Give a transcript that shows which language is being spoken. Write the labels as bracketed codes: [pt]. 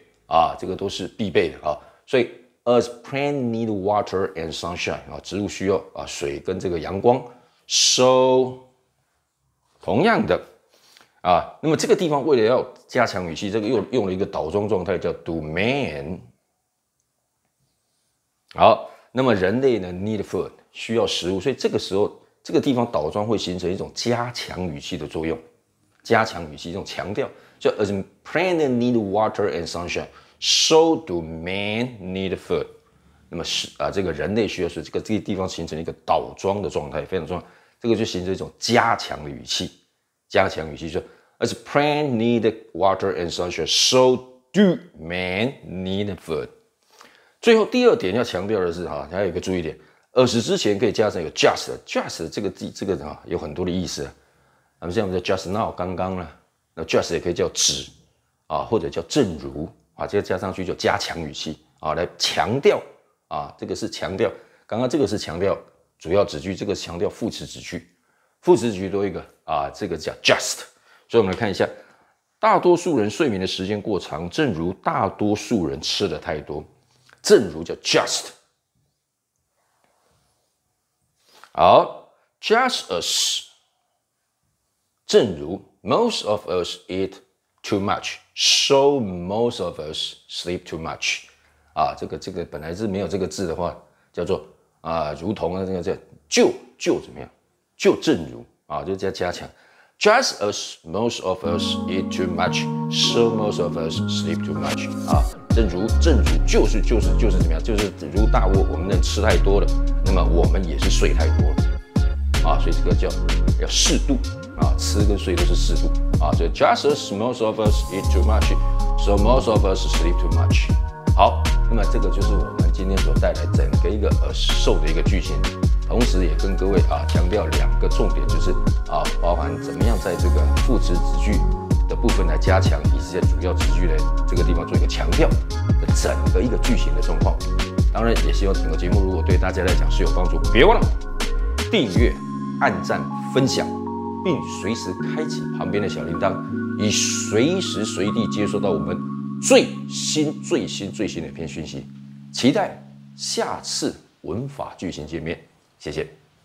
[zh] 啊，这个都是必备的啊，所以 [en] as plants need water and sunshine [zh] 啊，植物需要啊水跟这个阳光 ，so 同样的啊，那么这个地方为了要加强语气，这个又用了一个倒装状态叫 [en] do man。 [zh] 好，那么人类呢 [en] need food [zh] 需要食物，所以这个时候这个地方倒装会形成一种加强语气的作用，加强语气一种强调。 [en] So as plants need water and sunshine, so do man need food. [zh] 那么是啊，这个人类需要水，这个地方形成一个倒装的状态，非常重要。这个就形成一种加强的语气，加强语气说 ， [en] as plants need water and sunshine, so do man need food. [zh] 最后第二点要强调的是哈，还有一个注意点 ，as 之前可以加上有 just 这个哈有很多的意思。那么像我们的 [en] just now [zh] 刚刚呢？那 just 也可以叫指啊，或者叫正如啊，这个加上去就加强语气啊，来强调啊，这个是强调，刚刚这个是强调主要子句，这个强调副词子句，副词子句多一个啊，这个叫 just。所以我们来看一下，大多数人睡眠的时间过长，正如大多数人吃的太多，正如叫 just。好 ， [en] just as [zh] 正如。 [en] Most of us eat too much, so most of us sleep too much. [zh] 啊，这个本来是没有这个字的话，叫做啊，如同啊，这个叫就怎么样？就正如啊，就叫加强。 [en] Just as most of us eat too much, so most of us sleep too much. [zh] 啊，正如就是怎么样？就是如大窝，我们能吃太多了，那么我们也是睡太多了。啊，所以这个叫要适度。啊，吃跟睡都是适度啊，所以 [en] just as most of us eat too much, [zh] so most of us sleep too much。好，那么这个就是我们。今天所带来整个一个瘦的一个剧情，同时也跟各位强调两个重点，就是包含怎么样在这个副词子句的部分来加强，以及在主要子句的这个地方做一个强调，整个一个剧情的状况。当然也希望整个节目如果对大家来讲是有帮助，别忘了订阅、按赞、分享，并随时开启旁边的小铃铛，以随时随地接收到我们最新最新最新的一篇讯息。期待下次文法句型见面，谢谢。